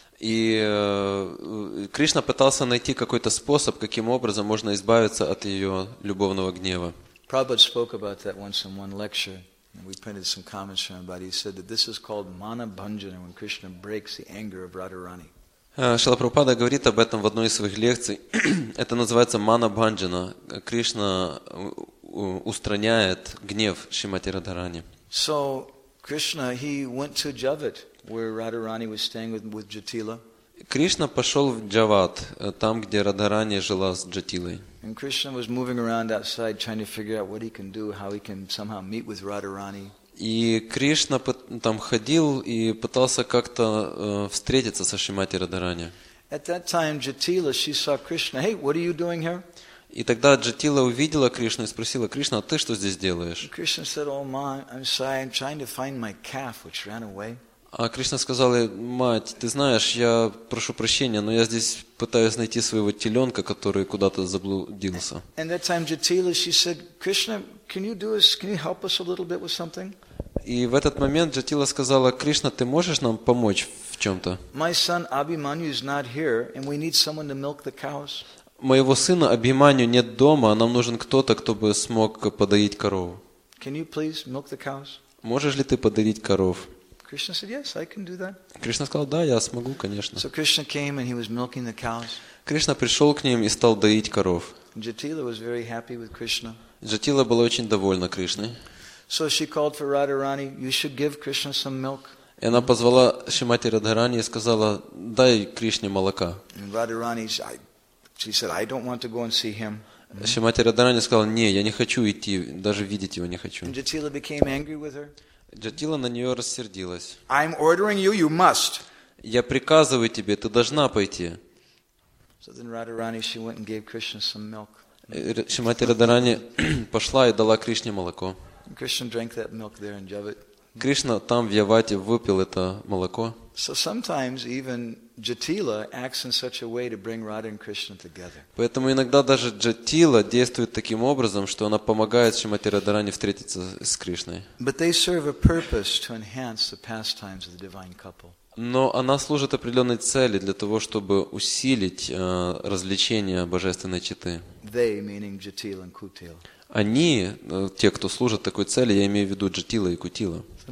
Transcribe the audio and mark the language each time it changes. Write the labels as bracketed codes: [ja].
[ru] И Кришна пытался найти какой-то способ, каким образом можно избавиться от ее любовного гнева. [en] Prabhupada spoke about that once in one lecture, and we printed some comments from about it. He said that this is called mana bhanjana when Krishna breaks the anger of Radharani. [ru] Шрила Прабхупада говорит об этом в одной из своих лекций. Это называется мана бханджана. Кришна устраняет гнев Шримати Радхарани. [en] So Krishna, he went to Javad, where Radharani was staying with Jatila. [ru] Кришна пошел в Джават, там, где Радхарани жила с Джатилой. [en] And Krishna was moving around outside, trying to figure out what he can do, how he can somehow meet with Radharani. [ru] И Кришна там ходил и пытался как-то встретиться со Шримати Радхарани. [en] At that time, Jatila, she saw Krishna. Hey, what are you doing here? [ru] И тогда Джатила увидела Кришну и спросила: Кришна, а ты что здесь делаешь? [en] Krishna said, Oh, ma, I'm sorry, I'm trying to find my calf, which ran away. [ru] А Кришна сказала: мать, ты знаешь, я прошу прощения, но я здесь пытаюсь найти своего теленка, который куда-то заблудился. [en] And that time Jatila, she said, Krishna, can you help us a little bit with something? [ru] И в этот момент Джатила сказала: Кришна, ты можешь нам помочь в чем-то? [en] My son Abhimanyu is not here, and we need someone to milk the cows. [ru] Моего сына Абхиманию нет дома, нам нужен кто-то, кто бы смог подоить корову. [en] Can you please milk the cows? [ru] Можешь ли ты подоить коров? [en] Krishna said, yes, I can do that. [ru] Кришна сказал: да, я смогу, конечно. [en] So Krishna came and he was milking the cows. [ru] Кришна пришел к ним и стал доить коров. [en] Jatila was very happy with Krishna. [ru] Джатила была очень довольна Кришной. [en] So she called for Radharani, you should give Krishna some milk. [ru] И она позвала Шримати Радхарани и сказала: дай Кришне молока. [en] And Radharani said, she said, I don't want to go and see him. [ru] Шримати Радхарани сказала: не, я не хочу идти, даже видеть его не хочу. [en] And Jatila became angry with her. [ru] Джатила на нее рассердилась. [en] I'm ordering you, you must. [ru] Я приказываю тебе, ты должна пойти. [en] So then Radharani, she went and gave Krishna some milk. [ru] Шримати Радхарани пошла и дала Кришне молоко. [en] And Krishna drank that milk there in Javad. [ru] Кришна там в Явате выпил это молоко. [en] So sometimes even Jatila acts in such a way to bring Radha and Krishna together. [ru] Поэтому иногда даже Джатила действует таким образом, что она помогает Шримати Радхарани встретиться с Кришной. [en] But they serve a purpose to enhance the pastimes of the divine couple. [ru] Но она служит определенной цели для того, чтобы усилить развлечения божественной четы. [en] They, meaning Jatila and Kutila. [ru] Они, те, кто служат такой цели, я имею в виду Джатила и Кутила.